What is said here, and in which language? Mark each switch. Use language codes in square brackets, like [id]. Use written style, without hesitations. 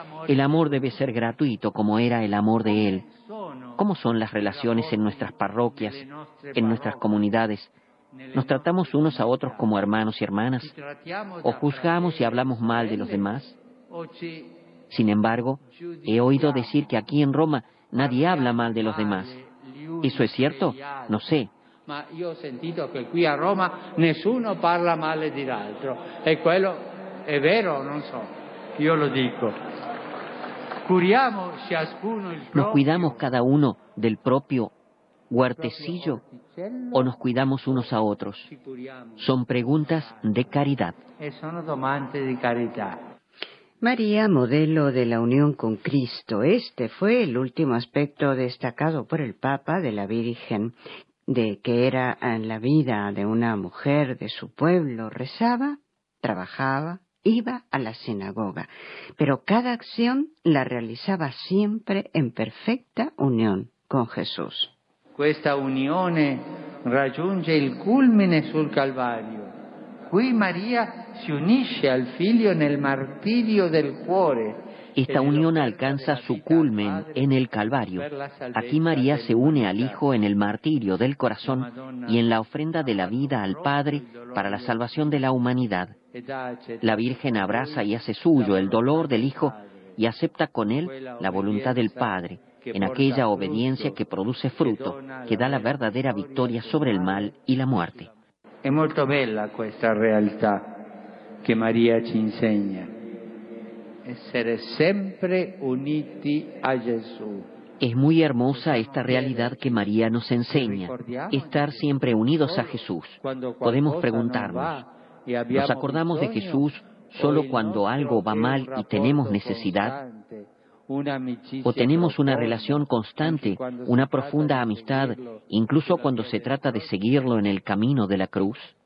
[es] El amor debe ser gratuito como era el amor de él. ¿Cómo son las relaciones en nuestras parroquias, en nuestras comunidades? ¿Nos tratamos unos a otros como hermanos y hermanas? ¿O juzgamos y hablamos mal de los demás? Sin embargo, he oído decir que aquí en Roma nadie habla mal de los demás. ¿Eso es cierto? No sé. [it] Ma io ho sentito che qui a Roma nessuno parla male di l'altro. E quello è vero, non so. Io lo dico. Curiamo ciascuno il proprio. [es] Nos cuidamos cada uno del propio huertecillo o nos cuidamos unos a otros. Son preguntas de caridad. [it] E sono domande di carità. [es] María, modelo de la unión con Cristo. Este fue el último aspecto destacado por el Papa de la Virgen. De que era la vida de una mujer de su pueblo, rezaba, trabajaba, iba a la sinagoga, pero cada acción la realizaba siempre en perfecta unión con Jesús. Esta unión [it] raggiunge el culmine sul Calvario. Qui María se unisce al Figlio nel martirio del cuore. [es] Esta unión alcanza su culmen en el Calvario. Aquí María se une al Hijo en el martirio del corazón y en la ofrenda de la vida al Padre para la salvación de la humanidad. La Virgen abraza y hace suyo el dolor del Hijo y acepta con él la voluntad del Padre en aquella obediencia que produce fruto, que da la verdadera victoria sobre el mal y la muerte. Es muy bella esta realidad que María nos enseña. [it] essere sempre uniti a Gesù. [es] Es muy hermosa esta realidad que María nos enseña, estar siempre unidos a Jesús. Podemos preguntarnos, ¿nos acordamos de Jesús solo cuando algo va mal y tenemos necesidad? ¿O tenemos una relación constante, una profunda amistad, incluso cuando se trata de seguirlo en el camino de la cruz?